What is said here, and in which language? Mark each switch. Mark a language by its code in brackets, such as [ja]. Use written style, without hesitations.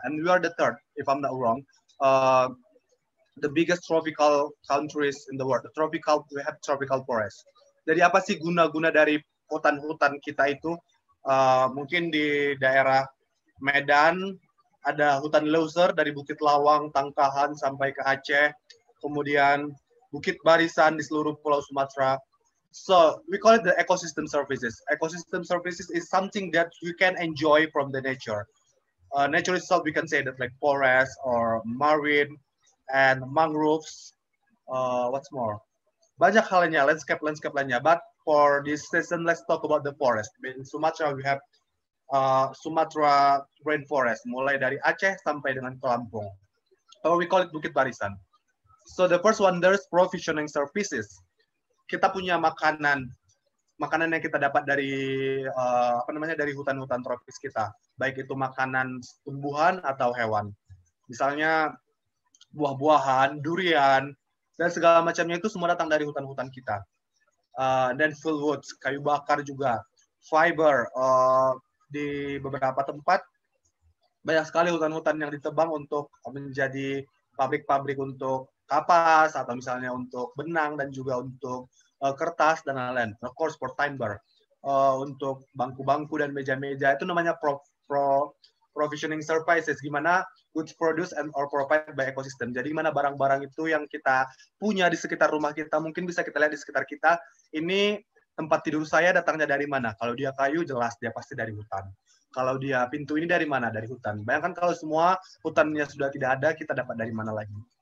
[en] And we are the third, if I'm not wrong, the biggest tropical countries in the world. We have tropical forest. [id] Jadi apa sih guna-guna dari hutan-hutan kita itu? Mungkin di daerah Medan ada hutan leuser dari Bukit Lawang, Tangkahan sampai ke Aceh, kemudian Bukit Barisan di seluruh Pulau Sumatera. [en] So we call it the ecosystem services. Ecosystem services is something that we can enjoy from the nature. Nature itself, we can say that like forest or marine and mangroves. What's more? [id] Banyak halnya, landscape lainnya. [en] But for this session, let's talk about the forest. In Sumatra, we have Sumatra rainforest, [id] mulai dari Aceh sampai dengan Lampung. [en] Or we call it Bukit Barisan. So the first one, there's provisioning services. [id] Kita punya makanan yang kita dapat dari dari hutan-hutan tropis kita, baik itu makanan tumbuhan atau hewan, misalnya buah-buahan, durian, dan segala macamnya itu semua datang dari hutan-hutan kita. Dan [en] fuel woods, [id] kayu bakar juga, fiber, di beberapa tempat banyak sekali hutan-hutan yang ditebang untuk menjadi pabrik-pabrik untuk kapas atau misalnya untuk benang dan juga untuk kertas dan lain-lain. [en] Of course for timber, [id] untuk bangku-bangku dan meja-meja itu namanya provisioning services. Gimana [en] goods produced and or provided by ecosystem. [id] Jadi mana barang-barang itu yang kita punya di sekitar rumah kita, mungkin bisa kita lihat di sekitar kita, ini tempat tidur saya datangnya dari mana. Kalau dia kayu, jelas dia pasti dari hutan. Kalau dia pintu ini dari mana? Dari hutan. Bayangkan kalau semua hutannya sudah tidak ada, kita dapat dari mana lagi?